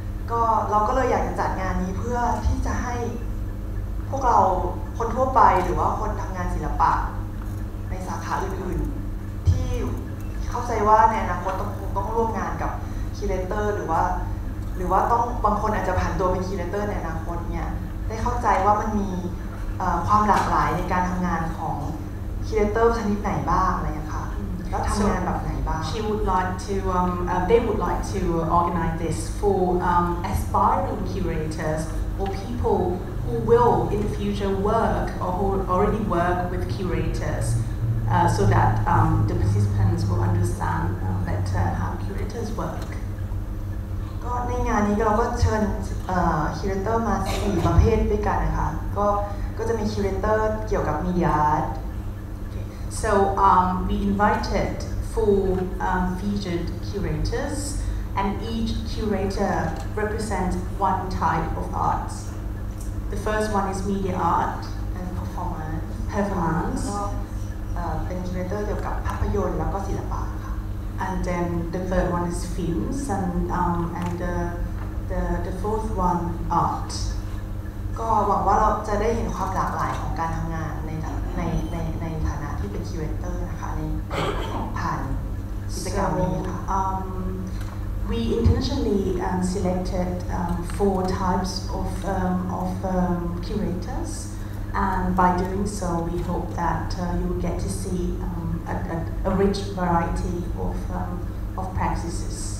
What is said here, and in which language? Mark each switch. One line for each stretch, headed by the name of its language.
Thai: ก็เราก็เลยอยากจะจัดงานนี้เพื่อที่จะให้พวกเราคนทั่วไปหรือว่าคนทำงานศิลปะในสาขาอื่นๆที่เข้าใจว่าในอนาคตต้องร่วมงานกับคิวเรเตอร์หรือว่าต้องบางคนอาจจะผันตัวเป็นคิวเรเตอร์ในอนาคตเนี่ยได้เข้าใจว่ามันมีความหลากหลายในการทำงานของคิวเรเตอร์ชนิดไหนบ้างอะไรอย่างเงี้ยค่ะแล้วทำงานแบบไหนบ้าง
English: She would like to they would like to organize this for aspiring curators or people who will in the future work or who already work with curators so that the participants will understand better how curators work
Thai: ในงานนี้เราก็เชิญคิวเรเตอร์มา4ประเภทด้วยกันนะคะก็จะมีคิวเรเตอร์เกี่ยวกับมีเดียอาร์ต
English: so we invited 4 featured curators and each curator represents one type of art the first one is media art and performance
Thai: เป็นคิวเรเตอร์เกี่ยวกับภาพยนตร์แล้วก็ศิลปะ
English: And then the third one is films and the fourth one art.
Thai: ก็หวังว่าเราจะได้เห็นความหลากหลายของการทำงานในฐานะที่เป็นคิวเรเตอร์นะคะในผ่าน
English: We intentionally selected four types of curators, and by doing so, we hope that you will get to see a rich variety of practices.